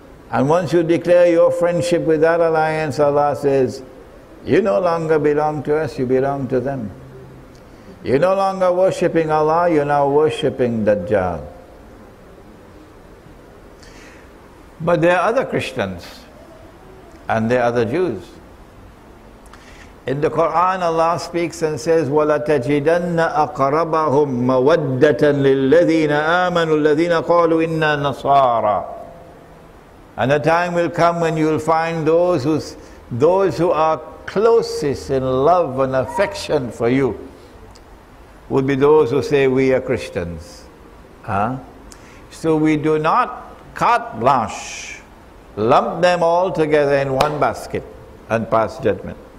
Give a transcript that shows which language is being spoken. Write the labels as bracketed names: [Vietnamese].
[English] And once you declare your friendship with that alliance, Allah says, you no longer belong to us, you belong to them. You're no longer worshipping Allah, you're now worshipping Dajjal. But there are other Christians and there are other Jews. In the Quran, Allah speaks and says, [Arabic] وَلَتَجِدَنَّ أَقْرَبَهُمْ مَوَدَّةً لِلَّذِينَ آمَنُوا الَّذِينَ قَالُوا إِنَّا نَصَارًا. [English] And a time will come when you'll find those who are closest in love and affection for you would be those who say, we are Christians. Huh? So we do not carte blanche, lump them all together in one basket and pass judgment.